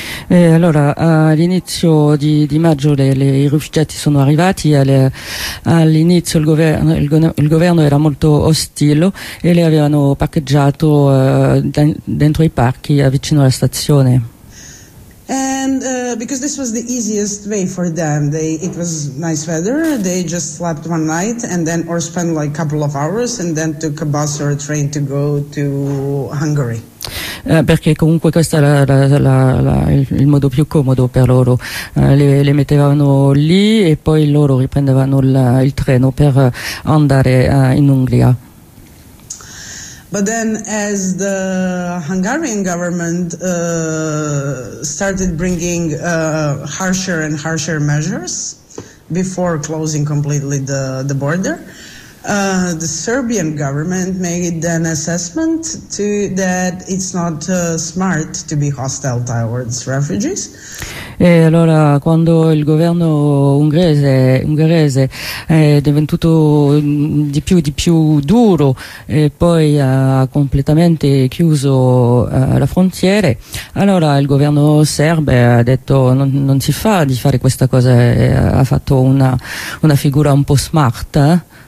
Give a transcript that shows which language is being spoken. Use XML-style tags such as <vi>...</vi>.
<it>E allora, all'inizio di maggio i rifugiati sono arrivati, all'inizio il governo era molto ostile e li avevano parcheggiato dentro i parchi vicino alla stazione.</it> <en>And because this was the easiest way for them, it was nice weather, they just slept one night and then, or spent like a couple of hours and then took a bus or a train to go to Hungary.</en> <it>Perché comunque questo era il modo più comodo per loro, le mettevano lì e poi loro riprendevano il treno per andare in Ungheria.</it> <en>But then as the Hungarian government started bringing harsher and harsher measures before closing completely the border, the Serbian government made an assessment that it's not smart to be hostile towards refugees.</en> <it>E allora quando il governo ungherese è diventato di più duro e poi ha completamente chiuso la frontiera, allora il governo serbe ha detto non si fa di fare questa cosa, ha fatto una figura un po' smart.</it>